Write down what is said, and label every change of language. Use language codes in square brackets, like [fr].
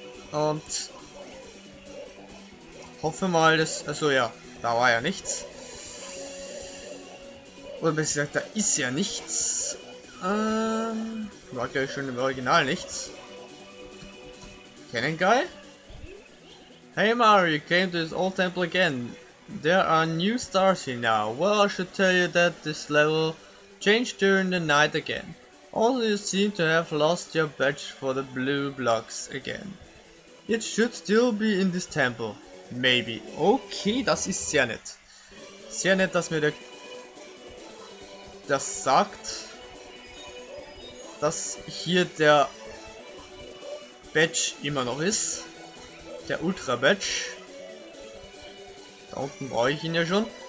[de] Und hoffe mal, dass. Also ja, da war ja nichts. Oder besser gesagt, da ist ja nichts. War ja schon im Original nichts. Kennen geil? [en] Hey Mario, you came to this old temple again. There are new stars here now. Well, I should tell you that this level changed during the night again. Also, you seem to have lost your badge for the blue blocks again. It should still be in this temple. [de] Maybe. Okay, das ist sehr nett. Sehr nett, dass mir der das sagt, dass hier der Badge immer noch ist. Der Ultra Badge. Da unten brauche ich ihn ja schon.